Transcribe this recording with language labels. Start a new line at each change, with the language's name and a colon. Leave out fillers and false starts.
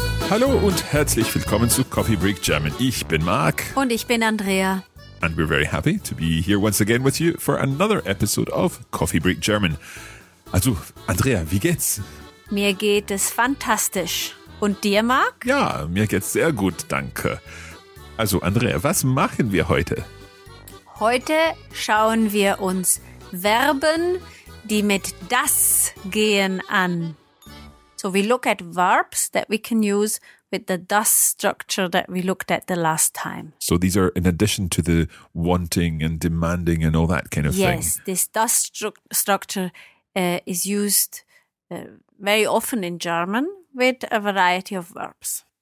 German: Hallo und herzlich willkommen zu Coffee Break German. Ich bin Marc. Und ich bin Andrea.
English: And we're very happy to be here once again with you for another episode of Coffee Break German.
German: Also, Andrea, wie geht's? Mir geht es fantastisch. Und dir, Marc? Ja, mir geht's sehr gut, danke. Also, Andrea, was machen wir heute? Heute schauen wir uns Verben, die mit das gehen, an.
English: So we look at verbs that we can use with the das structure that we looked at the last time. So these are in addition to the wanting and demanding and all that kind of thing. Yes, this das structure is used very often in German with a variety of verbs.